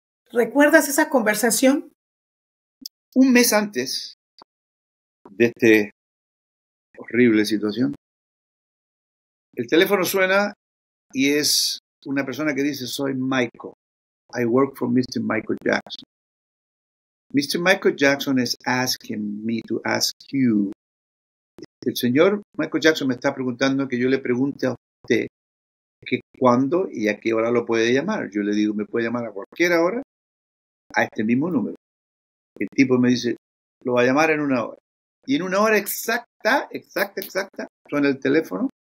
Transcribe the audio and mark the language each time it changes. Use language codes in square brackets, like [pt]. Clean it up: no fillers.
[es] ¿Recuerdas esa conversación? Un mes antes de esta horrible situación, el teléfono suena y es una persona que dice, soy Michael. [en] I work for Mr. Michael Jackson. Mr. Michael Jackson is asking me to ask you. [es] El señor Michael Jackson me está preguntando que yo le pregunte a usted que cuándo y a qué hora lo puede llamar. Yo le digo, me puede llamar a cualquier hora a este mismo número. El tipo me dice, lo va a llamar en una hora. Y en una hora exacta, suena el teléfono.